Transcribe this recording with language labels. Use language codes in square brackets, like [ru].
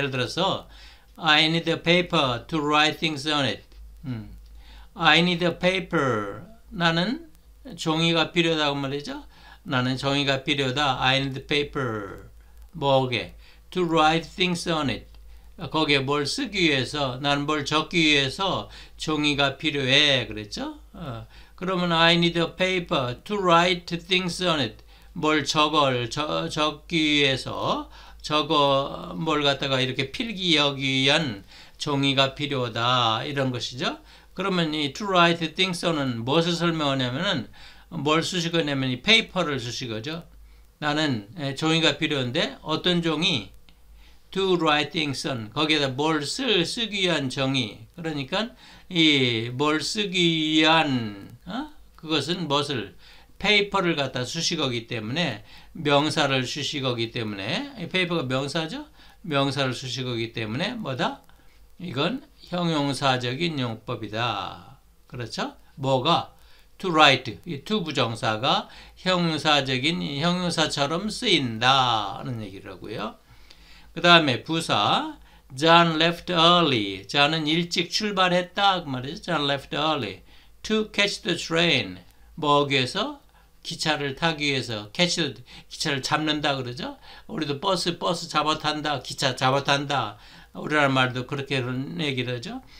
[en] 예를 들어서, I need a paper to write things on it. I need a paper. [ko] 나는 종이가 필요하다고 말이죠. 나는 종이가 필요하다. [en] I need a paper. [ko] 뭐게? [en] To write things on it. [ko] 거기에 뭘 쓰기 위해서, 나는 뭘 적기 위해서 종이가 필요해. 그랬죠? 그러면 [en] I need a paper to write things on it. [ko] 뭘 적기 위해서, 뭘 갖다가 이렇게 필기하기 위한 종이가 필요하다. 이런 것이죠? 그러면 이 [en] to write things on [ko] 은 무엇을 설명하냐면은, 뭘 수식어냐면 이 paper를 수식어죠. 나는 종이가 필요한데 어떤 종이? [en] To write things on. [ko] 거기에다 쓰기 위한 종이. 그러니까 이뭘 쓰기 위한 그것은 무엇을? 페이퍼를 갖다 수식어기 때문에 명사를 수식어기 때문에 페이퍼가 명사죠? 명사를 수식어기 때문에 뭐다? 이건 형용사적인 용법이다. 그렇죠? 뭐가? [en] To write, [ko] 이 to 부정사가 형용사처럼 쓰인다는 얘기라고요. 그 다음에 부사, [en] John left early. [ko] John은 일찍 출발했다. 그 말이죠. [en] John left early to catch the train. [ko] 뭐 하기 위해서? 기차를 타기 위해서. catch, 기차를 잡는다 그러죠. 우리도 버스 잡아탄다. 기차 잡아탄다. 우리나라 말도 그렇게 얘기하죠.